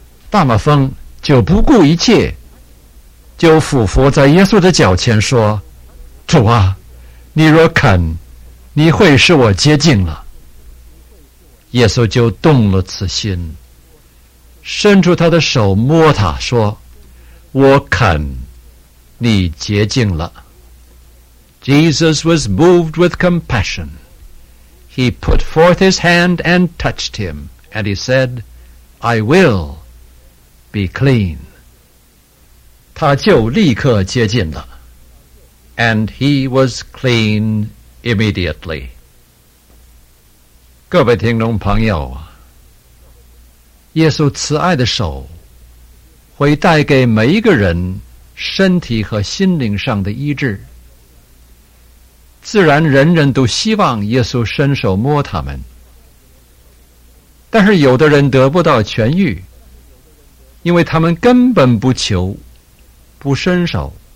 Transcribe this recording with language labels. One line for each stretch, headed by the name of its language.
Chinese: 大麻风就不顾一切，就俯伏在耶稣的脚前说：“主啊，你若肯，你会使我洁净了。” 耶稣就动了慈心，伸出他的手摸他说：“我肯，你洁净了。”
English: Jesus was moved with compassion. He put forth his hand and touched him, and he said, "I will be clean."
Chinese: 他就立刻洁净了。
English: And he was cleanImmediately.
Chinese: 各位听众朋友，耶稣慈爱的手会带给每一个人身体和心灵上的医治，自然人人都希望耶稣伸手摸他们，但是有的人得不到痊愈，因为他们根本不求，不伸手。